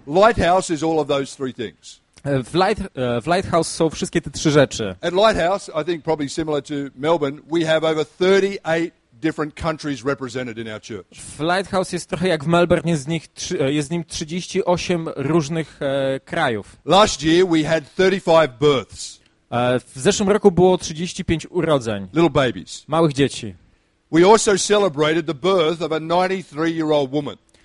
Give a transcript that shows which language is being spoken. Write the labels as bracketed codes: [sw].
[en] Lighthouse is all of those three things. [pl] W Lighthouse są wszystkie te trzy rzeczy. [en] At Lighthouse, I think probably similar to Melbourne, we have over 38 different countries represented in our church. [pl] W Lighthouse jest trochę jak w Melbourne, jest z nim 38 różnych krajów. [en] Last year we had 35 births. [pl] W zeszłym roku było 35 urodzeń. [en] Little babies. [pl] Małych dzieci. [en] We also celebrated the birth of a 93-year-old woman.